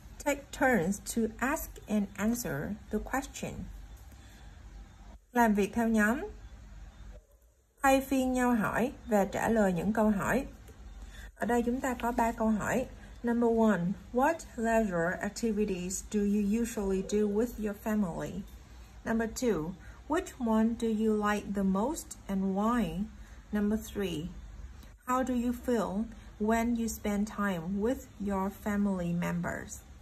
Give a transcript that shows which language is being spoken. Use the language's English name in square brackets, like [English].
[English] Take turns to ask and answer the question. [Vietnamese] Làm việc theo nhóm. Thay phiên nhau hỏi và trả lời những câu hỏi. Ở đây chúng ta có 3 câu hỏi. [English] Number 1. What leisure activities do you usually do with your family? Number 2. Which one do you like the most and why? Number 3. How do you feel when you spend time with your family members?